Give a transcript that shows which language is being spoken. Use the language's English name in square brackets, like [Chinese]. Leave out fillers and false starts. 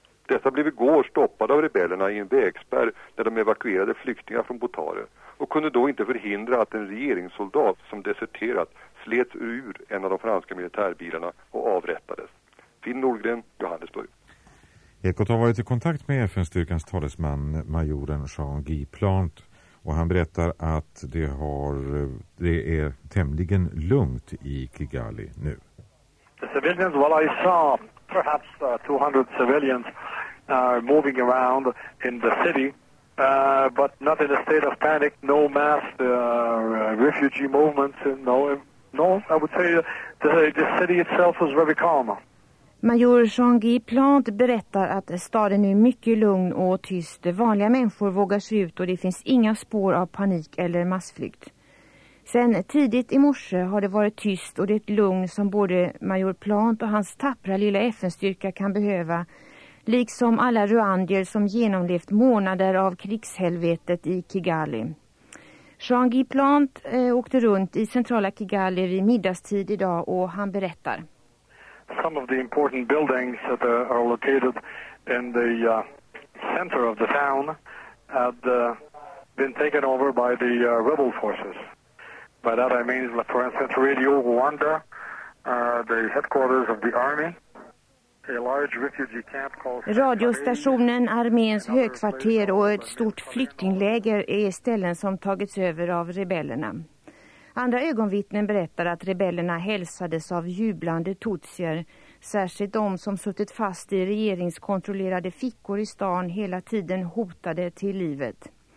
[Swedish] Dessa blev igår stoppade av rebellerna i en vägspärr där de evakuerade flyktingar från Botare och kunde då inte förhindra att en regeringssoldat som deserterat slets ur en av de franska militärbilarna och avrättades. Finn Norgren, Johannesburg. Ekot har varit i kontakt med FN-styrkans talesman majoren Jean-Guy Plant och han berättar att det är tämligen lugnt i Kigali nu. [English] The civilians, well, I saw perhaps 200 civilians are moving around in the city, but not in a state of panic, no mass refugee movements, no, I would say the city itself was very calm. [Swedish] Major Jean-Guy Plant berättar att staden är mycket lugn och tyst. Vanliga människor vågar sig ut och det finns inga spår av panik eller massflykt. Sen tidigt i morse har det varit tyst och det är ett lugn som både major Plant och hans tappra lilla FN-styrka kan behöva. Liksom alla ruandier som genomlevt månader av krigshelvetet i Kigali. Jean-Guy Plant åkte runt i centrala Kigali vid middagstid idag och han berättar. [English] Some of the important buildings that are located in the center of the town had been taken over by the rebel forces. By that I mean, for instance, Radio Rwanda, the headquarters of the army, a large refugee camp called... [Swedish] Radiostationen, arméns högkvarter och ett stort flyktingläger är ställen som tagits över av rebellerna. Andra ögonvittnen berättar att rebellerna hälsades av jublande tutsier, särskilt de som suttit fast i regeringskontrollerade fickor i stan hela tiden hotade till livet.